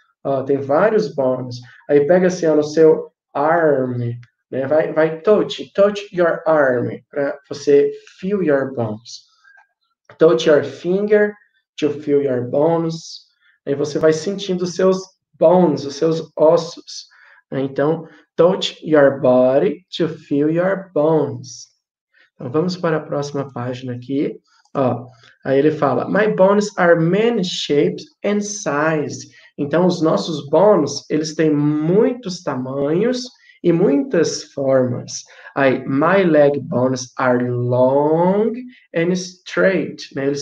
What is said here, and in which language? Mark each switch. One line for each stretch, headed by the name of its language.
Portuguese: Ó, tem vários bones. Aí pega assim, ó, no seu arm, né?
English: Vai touch your arm,
Portuguese: para você
English: feel your bones. Touch your finger to feel your bones.
Portuguese: Aí você vai sentindo os seus bones, os seus ossos.
English: Então, touch your body to feel your bones.
Portuguese: Então, vamos para a próxima página aqui. Ó, aí ele fala:
English: My bones are many shapes and size.
Portuguese: Então, os nossos bones, eles têm muitos tamanhos e muitas formas.
English: Aí, my leg bones are long and straight, né?